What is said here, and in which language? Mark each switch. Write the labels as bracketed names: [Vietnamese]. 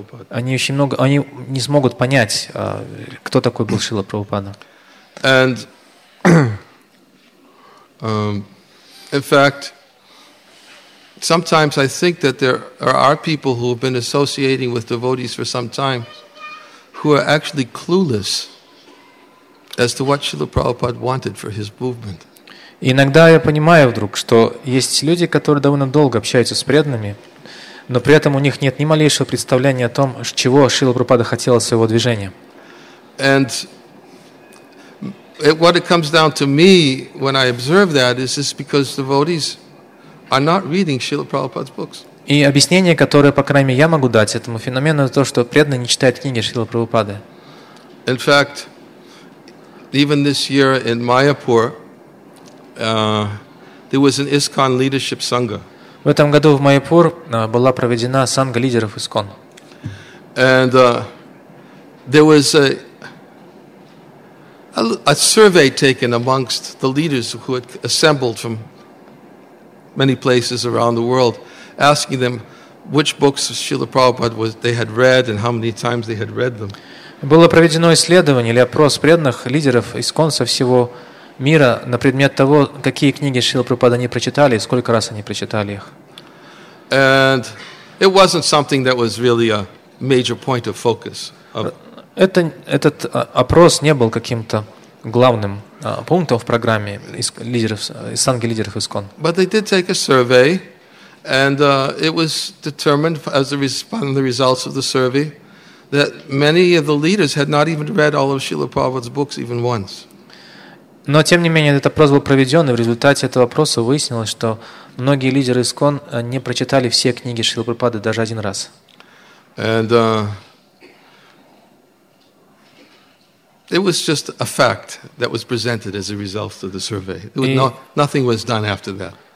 [Russian] Они не смогут понять, кто такой был Шрила Прабхупада. [English] In fact, sometimes I think that there are people who have been associating with devotees for some time who are actually clueless as to what Srila Prabhupada wanted for his movement. [Russian] Иногда я понимаю вдруг, что есть люди, которые довольно долго общаются с преданными, но при этом у них нет ни малейшего представления о том, чего Шрила Прабхупада хотел от своего движения. [English] And what it comes down to me when I observe that is this because devotees are not reading Srila Prabhupada's books. [Russian] И объяснение, которое, по крайней мере, я могу дать этому феномену, то, что преданные не читают книги Шрилы Прабхупады. [English] In fact, even this year in Mayapur, there was an ISKCON leadership sangha. [Russian] В этом году в Майяпур была проведена санга лидеров ИСКОН. [English] And there was a survey taken amongst the leaders who had assembled from many places around the world, asking them which books of Srila Prabhupada they had read and how many times they had read them. [Russian] Было проведено исследование или опрос преданных лидеров ИСКОН со всего мира на предмет того, какие книги Шрила Прабхупада они прочитали и сколько раз они прочитали их. [English] And it wasn't something that was really a major point of focus. [Russian] Этот опрос не был каким-то главным пунктом в программе санги лидеров ИСКОН. [English] But they did take a survey, and it was determined as a result of the results of the survey that many of the leaders had not even read all of Srila Prabhupada's books even once. [Russian] Но тем не менее этот опрос был проведен, и в результате этого опроса выяснилось, что многие лидеры ИСКОН не прочитали все книги Шрилы Прабхупады даже один раз. [English] And, it was just a fact that was presented as a result of the survey. Nothing was done after that.